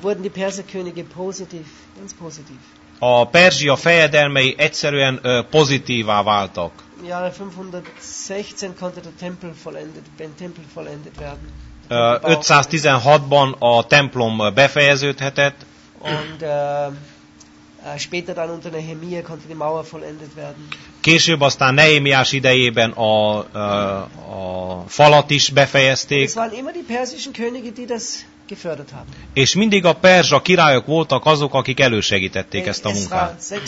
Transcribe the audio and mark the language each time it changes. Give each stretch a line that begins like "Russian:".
German: wurden die Perser Könige positiv, ganz positiv.
Hungarian: A Perzsia fejedelmei egyszerűen pozitívá váltak.
German: Ja, 516 konnte der Tempel vollendet werden.
Hungarian: 516-ban a templom befejeződhetett.
German: Und später dann unter Nehemia konnte die Mauer vollendet werden.
Hungarian: Később aztán Nehemiás idejében a falat is befejezték.
German: Es waren immer die persischen Könige, die das gefördert haben.
Hungarian: És mindig a perzsa királyok voltak azok, akik elősegítették ezt a munkát.